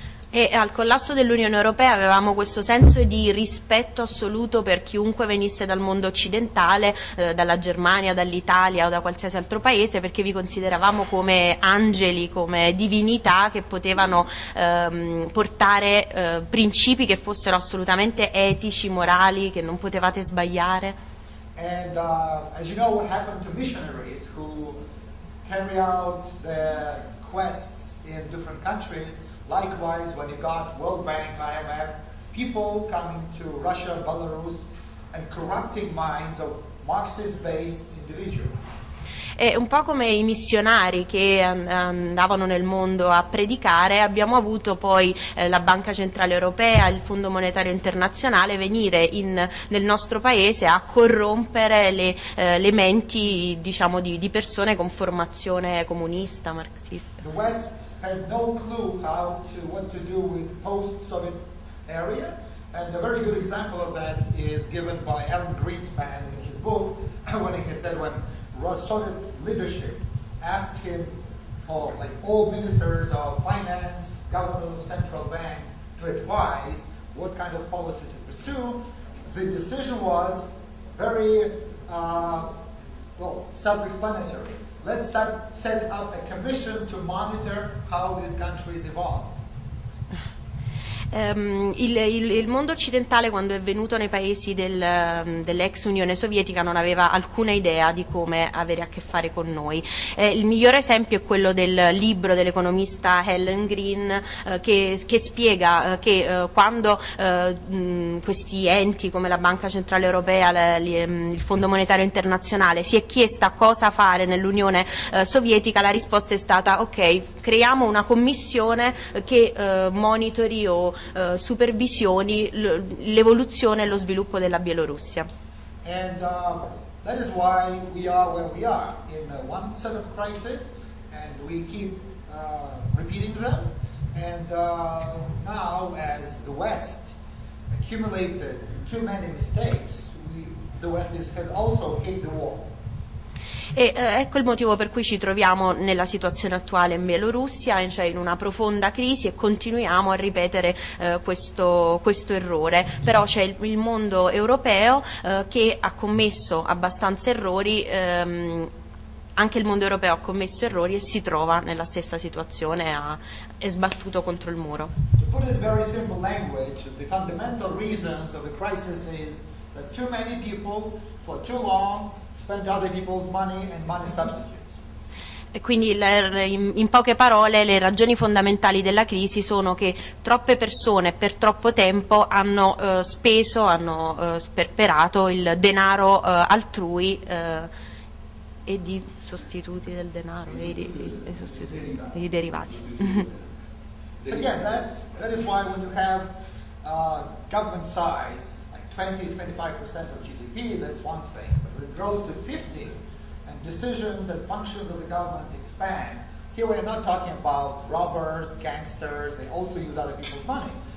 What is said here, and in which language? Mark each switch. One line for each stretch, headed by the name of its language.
Italian: E al collasso dell'Unione Europea avevamo questo senso di rispetto assoluto per chiunque venisse dal mondo occidentale, dalla Germania, dall'Italia o da qualsiasi altro paese, perché vi consideravamo come angeli, come divinità che potevano portare principi che fossero assolutamente etici, morali, che non potevate sbagliare.
English: And as you know what happened to missionaries who carry out their quests in different countries. Likewise, when you got World Bank, IMF, people coming to Russia, Belarus, and corrupting minds of Marxist-based individuals.
Italian: È un po' come i missionari che andavano nel mondo a predicare, abbiamo avuto poi la Banca Centrale Europea, il Fondo Monetario Internazionale venire nel nostro paese a corrompere le menti, diciamo, di persone con formazione comunista, marxista.
English: The West had no clue how to what to do with post-Soviet area, and a very good example of that is given by Alan Greenspan in his book when he said when Soviet leadership asked him, or like all ministers of finance, governors of central banks, to advise what kind of policy to pursue. The decision was very self-explanatory. Let's set up a commission to monitor how this country is evolved.
Italian: Il mondo occidentale, quando è venuto nei paesi dell'ex Unione Sovietica, non aveva alcuna idea di come avere a che fare con noi. Il migliore esempio è quello del libro dell'economista Helen Green, che spiega che quando questi enti come la Banca Centrale Europea, il Fondo Monetario Internazionale, si è chiesta cosa fare nell'Unione Sovietica, la risposta è stata: ok, creiamo una commissione che monitori o supervisioni l'evoluzione e lo sviluppo della Bielorussia.
English: And that is why we are where we are, in one set of crises, and we keep repeating them. And now, as the West accumulated too many mistakes, the West has also hit the wall.
Italian: E ecco il motivo per cui ci troviamo nella situazione attuale in Bielorussia, cioè in una profonda crisi, e continuiamo a ripetere questo errore. Però c'è il mondo europeo che ha commesso abbastanza errori, anche il mondo europeo ha commesso errori e si trova nella stessa situazione, è sbattuto contro il muro.
English: To put it in very simple language, the fundamental reasons of the crisis is that too many people for too long spend other people's money and money substitutes.
Italian: E quindi in poche parole le ragioni fondamentali della crisi sono che troppe persone per troppo tempo hanno speso, hanno sperperato il denaro altrui e di sostituti del denaro, dei derivati.
English: So again, that is why when you have government size, 20-25% of GDP, that's one thing, but when it grows to 50 and decisions and functions of the government expand, here we are not talking about robbers, gangsters, they also use other people's money.